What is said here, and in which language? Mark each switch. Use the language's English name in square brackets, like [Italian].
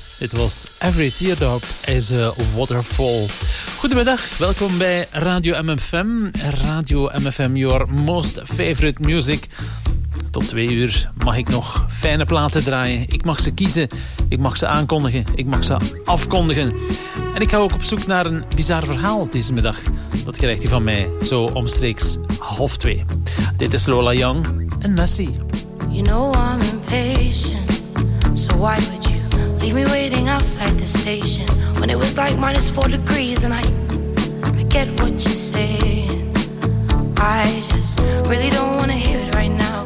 [Dutch] Dit was Every Teardrop is a Waterfall. Goedemiddag, welkom bij Radio MFM. [English] Radio MFM, your most favorite music. [Dutch] Tot 2 uur mag ik nog fijne platen draaien. Ik mag ze kiezen, ik mag ze aankondigen, ik mag ze afkondigen. En ik ga ook op zoek naar een bizar verhaal deze middag. Dat krijgt u van mij zo omstreeks 1:30. Dit is Lola Young en Messi. [English] You know I'm impatient, so why would you leave me waiting outside the station when it was like -4 degrees? And I get what you're saying. I just really don't want to hear it right now.